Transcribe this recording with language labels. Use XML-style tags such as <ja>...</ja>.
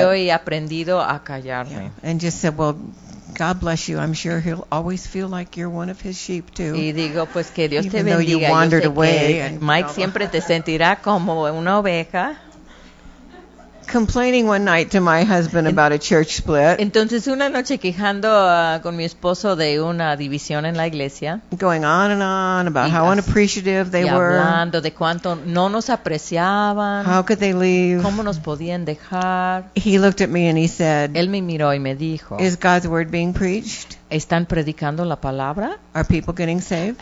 <es>Porque yo he aprendido a callarme. Yeah.</es> <en>And just said, well, God bless you. I'm sure he'll always feel like you're one of his sheep too.</en> <es>Y digo, pues que Dios</es> <en>even</en> <es>te bendiga.</es> <en>Even though you wandered away. And</en> <es>Mike siempre te sentirá como una oveja.</es> <en>Complaining one night to my husband about a church split.</en> <es>Entonces una noche quejando con mi esposo de una división en la iglesia.</es> <en>Going on and on about how unappreciative they were.</en> <es>Y hablando de cuánto no nos apreciaban.</es> <en>How could they leave?</en> <es>¿Cómo nos podían dejar?</es> <en>He looked at me and he said.</en> <es>Él me miró y me dijo.</es> <en>Is God's word being preached?</en> <es>¿Están predicando la palabra?</es> <en>Are people getting saved?</en>